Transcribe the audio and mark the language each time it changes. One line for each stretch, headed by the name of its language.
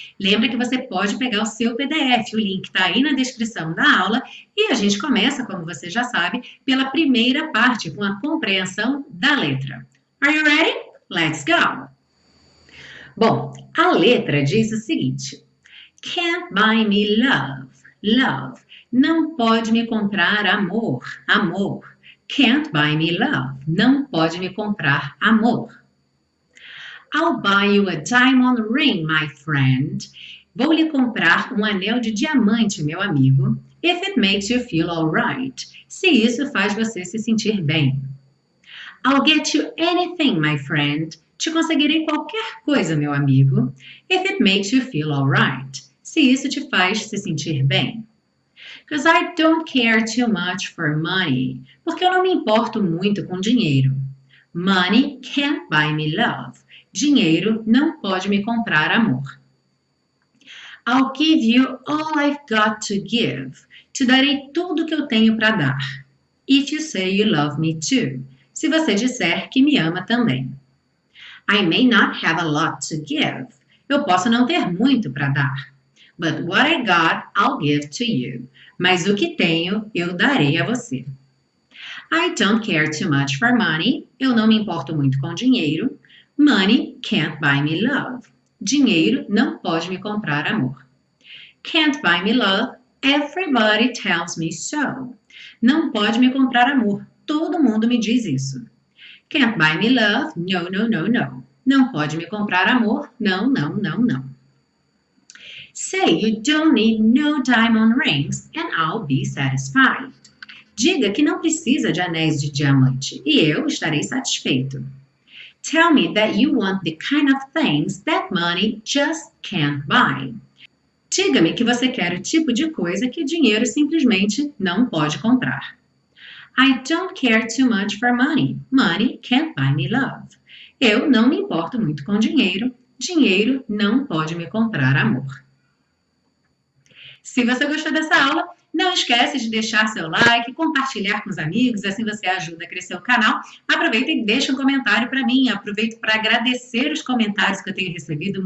Portuguese: Lembra que você pode pegar o seu PDF, o link está aí na descrição da aula, e a gente começa, como você já sabe, pela primeira parte, com a compreensão da letra.
English: Are you ready? Let's go!
Portuguese: Bom, a letra diz o seguinte:
English: Can't buy me love, love.
Portuguese: Não pode me comprar amor, amor.
English: Can't buy me love.
Portuguese: Não pode me comprar amor.
English: I'll buy you a diamond ring, my friend.
Portuguese: Vou lhe comprar um anel de diamante, meu amigo.
English: If it makes you feel all right.
Portuguese: Se isso faz você se sentir bem.
English: I'll get you anything, my friend.
Portuguese: Te conseguirei qualquer coisa, meu amigo.
English: If it makes you feel all right.
Portuguese: Se isso te faz se sentir bem.
English: 'Cause I don't care too much for money.
Portuguese: Porque eu não me importo muito com dinheiro.
English: Money can't buy me love.
Portuguese: Dinheiro não pode me comprar amor.
English: I'll give you all I've got to give.
Portuguese: Te darei tudo que eu tenho para dar.
English: If you say you love me too.
Portuguese: Se você disser que me ama também.
English: I may not have a lot to give.
Portuguese: Eu posso não ter muito para dar.
English: But what I got, I'll give to you.
Portuguese: Mas o que tenho, eu darei a você.
English: I don't care too much for money.
Portuguese: Eu não me importo muito com dinheiro.
English: Money can't buy me love.
Portuguese: Dinheiro não pode me comprar amor.
English: Can't buy me love. Everybody tells me so.
Portuguese: Não pode me comprar amor. Todo mundo me diz isso.
English: Can't buy me love. No, no, no, no.
Portuguese: Não pode me comprar amor. Não, não, não, não.
English: Say you don't need no diamond rings and I'll be satisfied.
Portuguese: Diga que não precisa de anéis de diamante e eu estarei satisfeito.
English: Tell me that you want the kind of things that money just can't buy.
Portuguese: Diga-me que você quer o tipo de coisa que dinheiro simplesmente não pode comprar.
English: I don't care too much for money. Money can't buy me love.
Portuguese: Eu não me importo muito com dinheiro. Dinheiro não pode me comprar amor. Se você gostou dessa aula, não esquece de deixar seu like, compartilhar com os amigos, assim você ajuda a crescer o canal. Aproveita e deixa um comentário para mim. Aproveito para agradecer os comentários que eu tenho recebido.